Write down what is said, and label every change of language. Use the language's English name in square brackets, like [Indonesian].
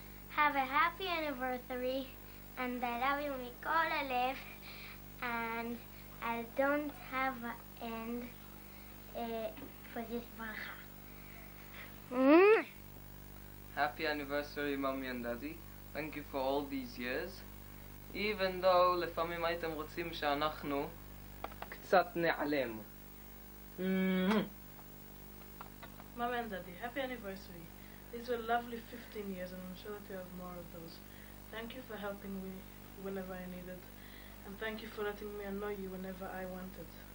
[English] Have a happy anniversary, and I love you with all my heart, and I don't have an end for this bracha. Happy anniversary, Mommy and Daddy. Thank you for all these years. Even though [Hebrew] לפעמים הייתם רוצים שאנחנו קצת נעלם. [English] Mom and Daddy, happy anniversary. These were lovely 15 years and I'm sure that you have more of those. Thank you for helping me whenever I needed. And thank you for letting me annoy you whenever I wanted.